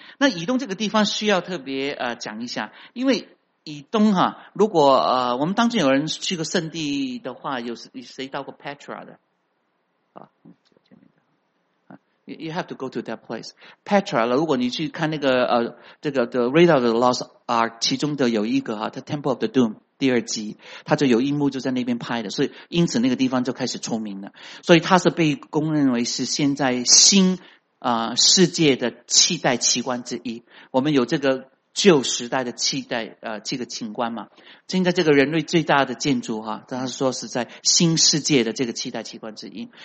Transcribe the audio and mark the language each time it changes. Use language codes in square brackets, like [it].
[zh] 那以东这个地方需要特别讲一下，因为以东哈，如果我们当中有人去过圣地的话，有谁到过 Petra 的？ [en] You have to go to that place. [zh] Petra, 如果你去看那个这个 The Raiders of the Lost Ark 其中的有一个哈，The Temple of the Doom, 第二季他就有一幕就在那边拍的，所以因此那个地方就开始出名了，所以他是被公认为是现在新世界的七代奇观之一。我们有这个旧时代的七代这个奇观嘛，现在这个人类最大的建筑哈，他说是在新世界的这个七代奇观之一。